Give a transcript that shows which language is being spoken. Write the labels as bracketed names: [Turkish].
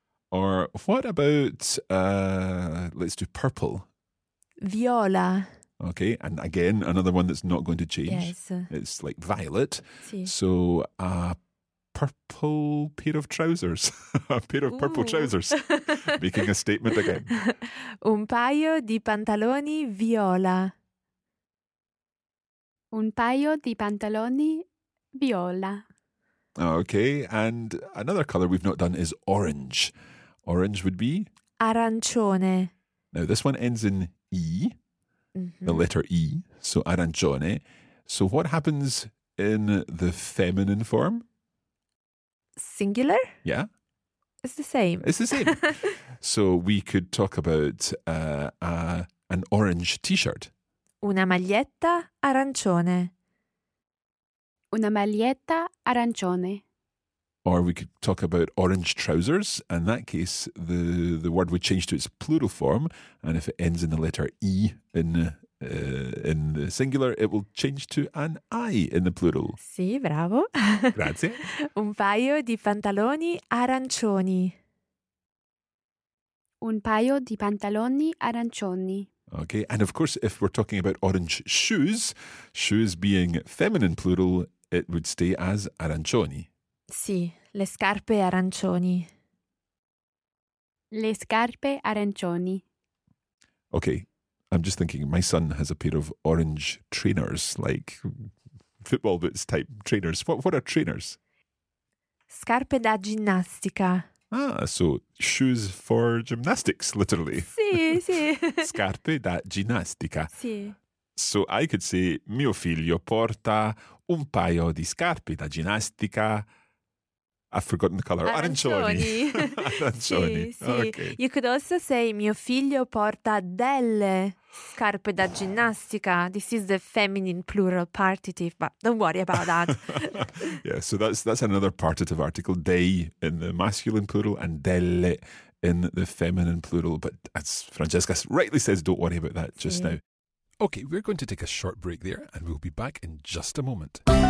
[English] Or what about, let's do purple. [Italian] Viola. [English] Okay, and again, another one that's not going to change. Yes. It's like violet. [Italian] Sì. [English] So a purple pair of trousers. A pair of purple trousers. Making a statement again. [Italian] Un paio di pantaloni viola. Un paio di pantaloni viola. [English] Okay, and another colour we've not done is orange. Orange would be? [Italian] Arancione. [English] Now, this one ends in E, the letter E, so arancione. So what happens in the feminine form? Singular? Yeah. It's the same. It's the same. So we could talk about an orange t-shirt. [Italian] Una maglietta arancione. Una maglietta arancione. [English] Or we could talk about orange trousers. In that case, the word would change to its plural form. And if it ends in the letter E in the singular, it will change to an I in the plural. [Italian] Sì, bravo. Grazie. Un paio di pantaloni arancioni. Un paio di pantaloni arancioni. [English] Okay, and of course, if we're talking about orange shoes, shoes being feminine plural, it would stay as arancioni. [Italian] Sì, le scarpe arancioni. Le scarpe arancioni. [English] Okay, I'm just thinking, my son has a pair of orange trainers, like football boots type trainers. What are trainers? [Italian] Scarpe da ginnastica. [English] Ah, so shoes for gymnastics, literally. [Italian] Sì, sì. Scarpe da ginnastica. Sì. [English] So I could say, [Italian] mio figlio porta un paio di scarpe da ginnastica. [English] I've forgotten the color. [Italian] Arancioni. Arancioni. Sì, sì. Okay. [English] You could also say, [Italian] mio figlio porta delle scarpe da ginnastica. [English] This is the feminine plural partitive, but don't worry about that. Yeah, so that's another partitive article. Dei in the masculine plural and delle in the feminine plural. But as Francesca rightly says, don't worry about that just now. Okay, we're going to take a short break there and we'll be back in just a moment.